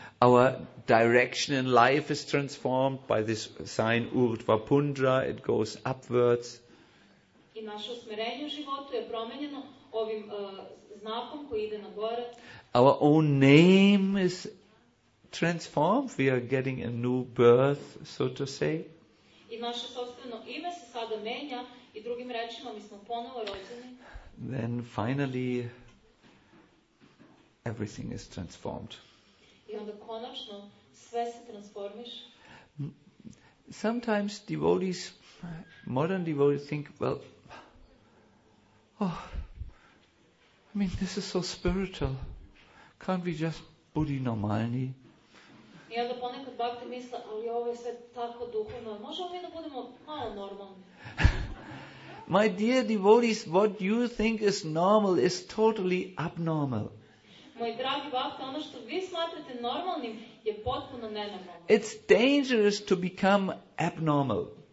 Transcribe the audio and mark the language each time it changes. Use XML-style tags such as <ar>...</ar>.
<en>Our direction in life is transformed by this sign Urdhvapundra. It goes upwards.</en> <sr>I naše usmjerenje u životu je promijenjeno ovim znakom koji ide na gore.</sr> <en>Our own name is transformed. We are getting a new birth, so to say.</en> <sr>I naše sopstveno ime se sada menja i drugim rečima mi smo ponovo rođeni.</sr> <en>Then finally everything is transformed.</en> <sr>I onda konačno sve se transformiš.</sr> <en>Sometimes devotees, modern devotees think, well, oh, I mean, this is so spiritual. Can't we just</en> <sr>budi normalni? I onda ponekad bakte misle, ali ovo je sve tako duhovno. Možemo mi da budemo malo normalni?</sr> <en>My dear devotees, what you think is normal is totally abnormal.</en> <sr>Moj dragi bakte, ono što vi smatrate normalnim je potpuno nenormalno.</sr> <en>It's dangerous to become abnormal.</en>